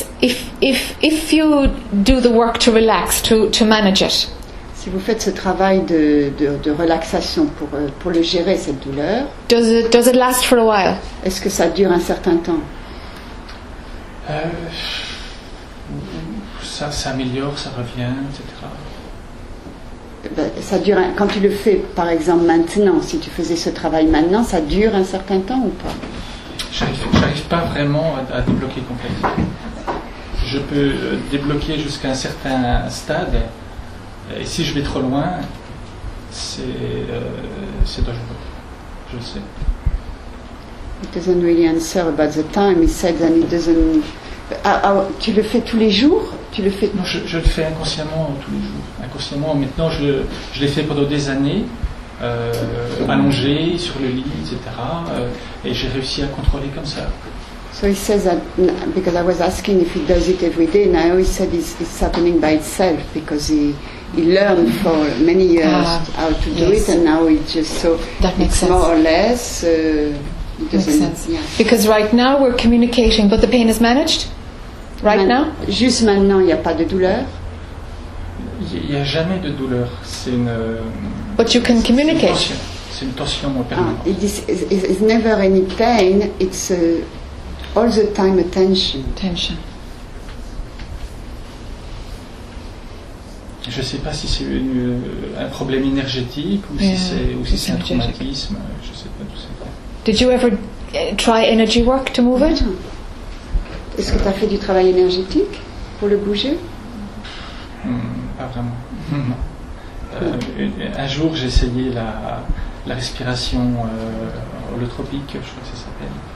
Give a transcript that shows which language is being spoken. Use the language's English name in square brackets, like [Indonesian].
[English] If you do the work to relax, to manage it. [French] Si vous faites ce travail de relaxation pour le gérer cette douleur. [English] Does it last for a while? [French] Est-ce que ça dure un certain temps? Ça s'améliore, ça revient, etc. Ça dure quand tu le fais, par exemple maintenant. Si tu faisais ce travail maintenant, ça dure un certain temps ou pas? J'arrive pas vraiment à débloquer complètement. Je peux débloquer jusqu'à un certain stade, et si je vais trop loin, c'est dangereux. Je sais. [English] It doesn't really answer about the time. He said that it doesn't. [French] Tu le fais tous les jours? Non, je le fais inconsciemment tous les jours. Inconsciemment. Maintenant, je l'ai fait pendant des années, allongé sur le lit, etc. Et j'ai réussi à contrôler comme ça. [English] So he says that because I was asking if he does it every day. Now he said it's happening by itself because he learned for many years how to do it, and now he just so that makes sense. More or less. Makes sense. Yeah. Because right now we're communicating, but the pain is managed. Right now? [French] Juste maintenant, il n'y a pas de douleur. Il n'y a jamais de douleur. C'est une. [English] But you can communicate. [French] C'est une tension permanente. [English] It's never any pain. It's all the time a tension. Tension. [French] Je ne sais pas si c'est un problème énergétique ou si c'est un traumatisme. Je ne sais pas tout ça. [English] Did you ever try energy work to move it? [French] Est-ce que tu as fait du travail énergétique pour le bouger? Pas vraiment. Un jour, j'ai essayé la respiration holotropique, je crois que ça s'appelle.